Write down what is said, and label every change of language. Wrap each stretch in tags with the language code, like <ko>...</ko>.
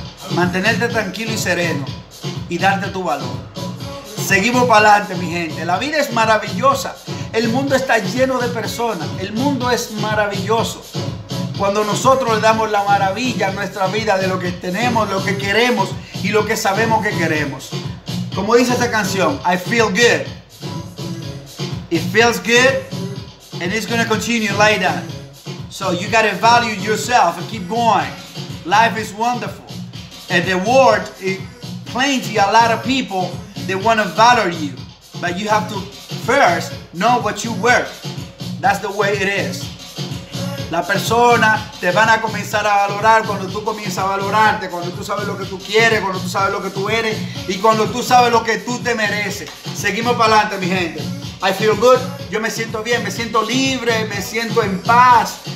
<es>Mantenerte tranquilo y sereno y darte tu valor. Seguimos para adelante, mi gente. La vida es maravillosa. El mundo está lleno de personas. El mundo es maravilloso. Cuando nosotros le damos la maravilla a nuestra vida de lo que tenemos, lo que queremos y lo que sabemos que queremos. Como dice esta canción,</es> <en>I feel good. It feels good and it's going to continue like that. So you got to value yourself and keep going. Life is wonderful. And the world is plenty, a lot of people, they want to value you. But you have to first know what you worth. That's the way it is.</en> <es>La persona te van a comenzar a valorar cuando tú comienzas a valorarte, cuando tú sabes lo que tú quieres, cuando tú sabes lo que tú eres y cuando tú sabes lo que tú te mereces. Seguimos para adelante, mi gente.</es> <en>I feel good.</en> <es>Yo me siento bien, me siento libre, me siento en paz.</es>